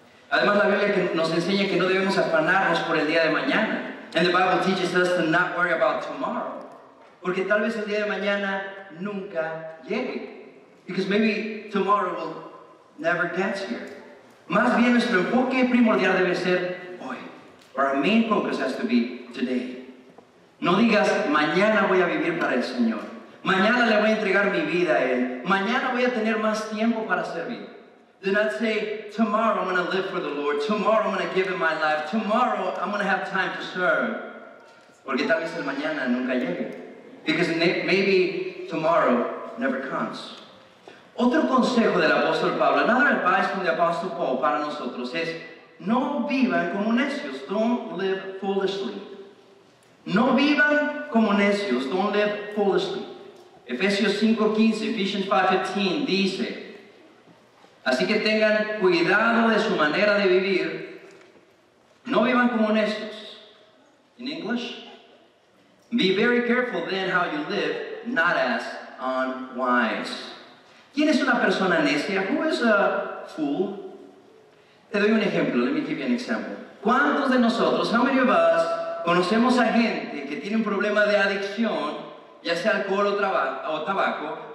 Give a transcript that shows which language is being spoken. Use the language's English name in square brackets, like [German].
[Spanish] Además, la Biblia nos enseña que no debemos afanarnos por el día de mañana. [English] And the Bible teaches us to not worry about tomorrow. [Spanish] Porque tal vez el día de mañana nunca llegue. [English] Because maybe tomorrow will never get here. [Spanish] Más bien, nuestro enfoque primordial debe ser hoy. [English] Our main focus has to be today. [Spanish] No digas, mañana voy a vivir para el Señor. Mañana le voy a entregar mi vida a Él. Mañana voy a tener más tiempo para servir. [English] Do not say, tomorrow I'm going to live for the Lord. Tomorrow I'm going to give Him my life. Tomorrow I'm going to have time to serve. [Spanish] Porque tal vez el mañana nunca llegue. [English] Because maybe tomorrow never comes. [Spanish] Otro consejo del apóstol Pablo, [English] another advice from the apostle Paul [Spanish] para nosotros es, no vivan como necios. [English] Don't live foolishly. [Spanish] No vivan como necios, [English] don't live foolishly. [Spanish] Efesios 5:15, Ephesians 5:15 dice, así que tengan cuidado de su manera de vivir, no vivan como necios. [English] In English, be very careful then how you live, not as unwise. [Spanish] ¿Quién es una persona necia? [English] Who is a fool? [Spanish] Te doy un ejemplo, [English] let me give you an example. [Spanish] ¿Cuántos de nosotros, [English] how many of us, [Spanish] conocemos a gente que tiene un problema de adicción, ya sea alcohol o tabaco?